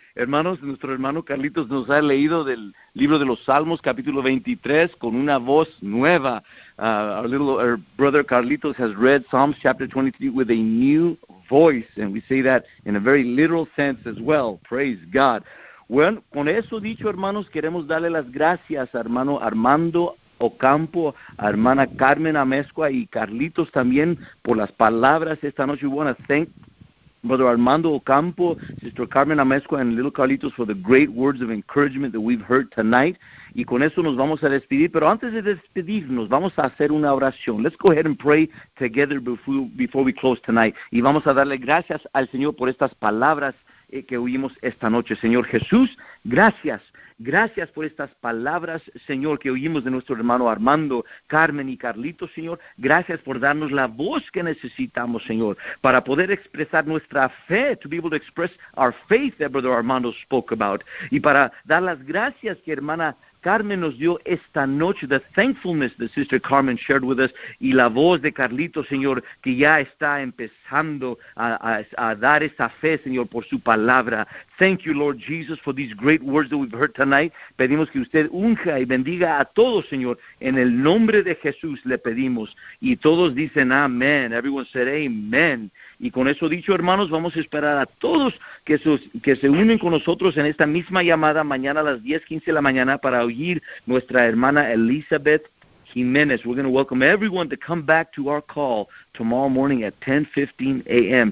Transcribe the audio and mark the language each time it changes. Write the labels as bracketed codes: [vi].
[es] Hermanos, nuestro hermano Carlitos nos ha leído del libro de los Salmos, capítulo 23, con una voz nueva. [en] Our brother Carlitos has read Psalms chapter 23 with a new voice, and we say that in a very literal sense as well. Praise God. [es] Bueno, con eso dicho, hermanos, queremos darle las gracias a hermano Armando Ocampo, a hermana Carmen Amezcua y Carlitos también por las palabras esta noche. We want to thank Brother Armando Ocampo, Sister Carmen Amezcua, and Little Carlitos for the great words of encouragement that we've heard tonight. Y con eso nos vamos a despedir. Pero antes de despedirnos, vamos a hacer una oración. [en] Let's go ahead and pray together before we close tonight. [es] Y vamos a darle gracias al Señor por estas palabras que oímos esta noche. Señor Jesús, gracias. Gracias por estas palabras, Señor, que oímos de nuestro hermano Armando, Carmen y Carlitos, Señor. Gracias por darnos la voz que necesitamos, Señor, para poder expresar nuestra fe, [en] to be able to express our faith that Brother Armando spoke about. [es] Y para dar las gracias que hermana Carmen nos dio esta noche, [en] the thankfulness that Sister Carmen shared with us, [es] y la voz de Carlito, Señor, que ya está empezando a dar esa fe, Señor, por su palabra. [en] Thank you, Lord Jesus, for these great words that we've heard tonight. [es] Pedimos que usted unja y bendiga a todos, Señor. En el nombre de Jesús le pedimos. Y todos dicen amén. [en] Everyone said amen. [es] Y con eso dicho, hermanos, vamos a esperar a todos que se unen con nosotros en esta misma llamada mañana a las 10:15 de la mañana para oír nuestra hermana Elizabeth Jiménez. [en] We're going to welcome everyone to come back to our call tomorrow morning at 10:15 a.m.